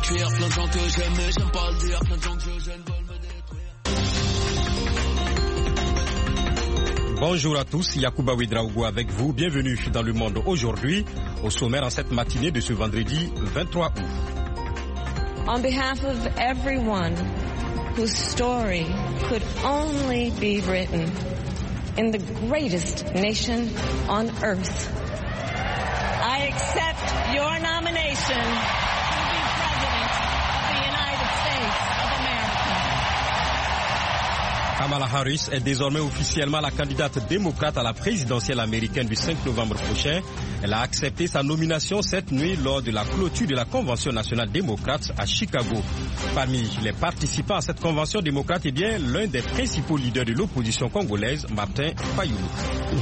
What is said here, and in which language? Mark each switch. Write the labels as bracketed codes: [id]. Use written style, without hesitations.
[fr] plein de gens que j'aime, mais j'aime pas le dire. Plein de gens que j'aime veulent me détruire. Bonjour à tous, Yacouba Ouidraogo avec vous. Bienvenue dans le monde aujourd'hui, au sommaire en cette matinée de ce vendredi 23 août. [en] On behalf of everyone whose story could only be written in the greatest nation on earth, I accept your nomination to be President of the United States of America. [fr] Kamala Harris est désormais officiellement la candidate démocrate à la présidentielle américaine du 5 novembre prochain. Elle a accepté sa nomination cette nuit lors de la clôture de la Convention nationale démocrate à Chicago. Parmi les participants à cette convention démocrate, eh bien, l'un des principaux leaders de l'opposition congolaise, Martin Fayulu.